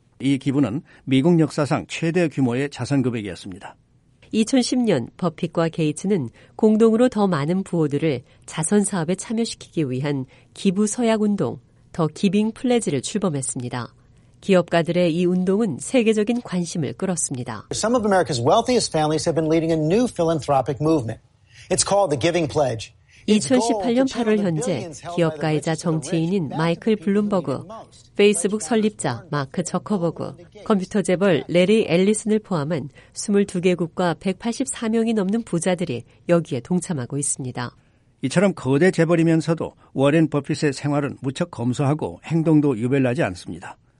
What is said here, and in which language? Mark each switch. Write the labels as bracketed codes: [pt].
[ko] 이 기부는 미국 역사상 최대 규모의 자선금액이었습니다. 2010년 버핏과 게이츠는 공동으로 더 많은 부호들을 자선사업에 참여시키기 위한 기부서약운동, 더 기빙 플레지를 출범했습니다. 기업가들의 이 운동은 세계적인 관심을 끌었습니다. [en] Some of America's wealthiest families have been leading a new philanthropic movement. It's called the Giving Pledge. [ko] 2018년 8월 현재 기업가이자 정치인인 마이클 블룸버그, 페이스북 설립자 마크 저커버그, 컴퓨터 재벌 레리 엘리슨을 포함한 22개국과 184명이 넘는 부자들이 여기에 동참하고 있습니다. 이처럼 거대 재벌이면서도 워렌 버핏의 생활은 무척 검소하고 행동도 유별나지 않습니다.